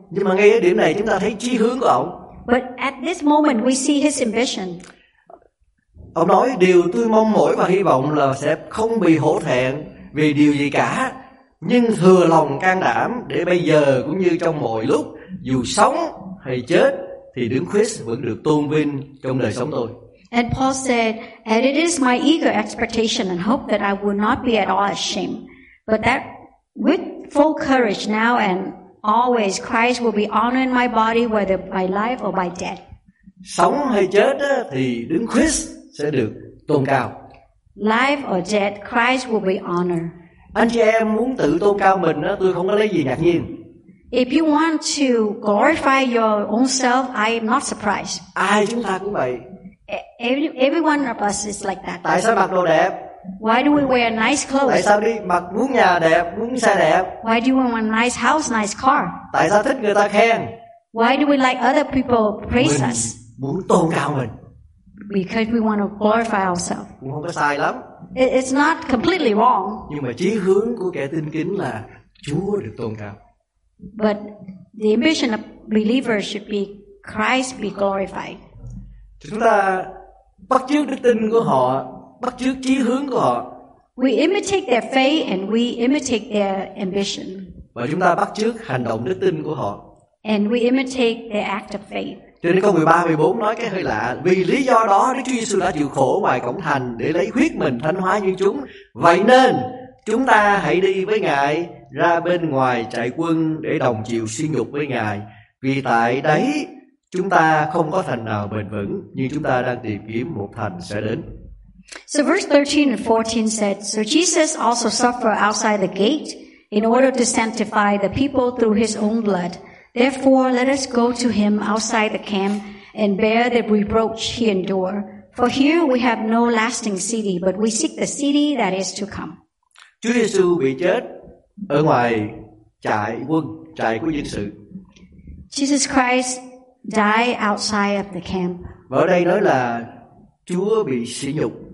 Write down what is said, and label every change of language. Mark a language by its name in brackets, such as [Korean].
[Vietnamese] Nhưng mà ngay ở điểm này chúng ta thấy chí hướng của ông. [English] But at this moment we see his ambition. [Vietnamese] Ông nói điều tôi mong mỏi và hy vọng là sẽ không bị hổ thẹn vì điều gì cả, nhưng thừa lòng can đảm để bây giờ cũng như trong mọi lúc, dù sống hay chết thì Đấng Christ vẫn được tôn vinh trong đời sống tôi. [English] And Paul said, and it is my eager expectation and hope that I will not be at all ashamed, but that with full courage now and always Christ will be honored in my body whether by life or by death. [Vietnamese] Sống hay chết á, thì Đấng Christ sẽ được tôn cao. [English] Life or death, Christ will be honored. [Vietnamese] Anh chị em muốn tự tôn cao mình á, tôi không có lấy gì ngạc nhiên. [English] If you want to glorify your own self, I am not surprised. [Vietnamese] Ai chúng ta cũng vậy. [English] Everyone of us is like that. [Vietnamese] Tại sao mặc đồ đẹp? [English] Why do we wear nice clothes? [Vietnamese] Tại sao đi mặc muốn nhà đẹp, muốn xe đẹp? [English] Why do we want a nice house, nice car? [Vietnamese] Tại sao thích người ta khen? [English] Why do we like other people praise [Vietnamese] mình [English] us? [Vietnamese] Muốn tôn cao mình. [English] Because we want to glorify ourselves. [Vietnamese] Cũng không có sai lắm. [English] It's not completely wrong. [Vietnamese] Nhưng mà chí hướng của kẻ tin kính là Chúa được tôn cao. [English] But the ambition of believers should be Christ be glorified. [Vietnamese] Chúng ta bắt chước đức tin của họ, bắt chước chí hướng của họ. [English] We imitate their faith and we imitate their ambition. [Vietnamese] Và chúng ta bắt chước hành động đức tin của họ. [English] And we imitate the act of faith. [Vietnamese] Cho nên câu 13, 14 nói cái hơi lạ. Vì lý do đó Đức Chúa Giê-xu đã chịu khổ ngoài cổng thành để lấy huyết mình thánh hóa như chúng. Vậy nên chúng ta hãy đi với Ngài ra bên ngoài trại quân để đồng chịu sỉ nhục với Ngài. Vì tại đấy chúng ta không có thành nào bền vững, nhưng chúng ta đang tìm kiếm một thành sẽ đến. [English] So verse 13 and 14 said, so Jesus also suffered outside the gate in order to sanctify the people through his own blood. Therefore, let us go to him outside the camp and bear the reproach he endured. For here we have no lasting city, but we seek the city that is to come. [Vietnamese] Chúa Giê-xu bị chết ở ngoài trại quân, trại của dân sự. [English] Jesus Christ died outside of the camp. [Vietnamese] Và ở đây nói là Chúa bị sỉ nhục.